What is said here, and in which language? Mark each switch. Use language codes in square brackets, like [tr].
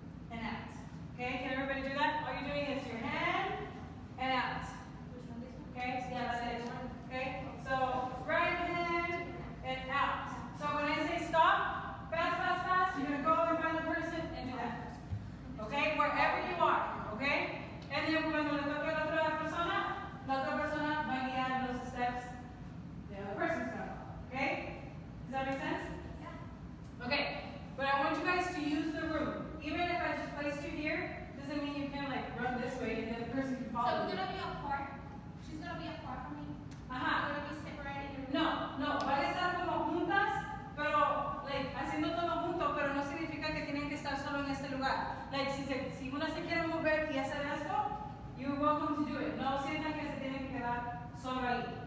[en] And out, okay? Can everybody do that? All you're doing is your hand, and out. Okay, so yeah, that's it. Okay, so right hand, and out. So when I say stop, fast, fast, fast, you're going to go and find the person and do that. Okay? Wherever you are. Okay? And then [es] cuando le toque a la otra persona, la otra persona va a guiar los steps. [en] The other person's going to go. Okay? Does that make sense? Yeah. Okay. But I want you guys to use the room. Even if I just placed you here, doesn't mean you can't like run this way and then the person can follow. So we're going to be apart. She's going to be apart from me. Uh-huh. We're going to be separated. No, no. [es] Van a estar como juntas, pero, like, haciendo todo junto, pero no significa que tienen que estar solo en este lugar. Like, si una se quiere mover y hacer esto, [en] you're welcome to do it. [es] No sientan que se tienen que quedar solo ahí.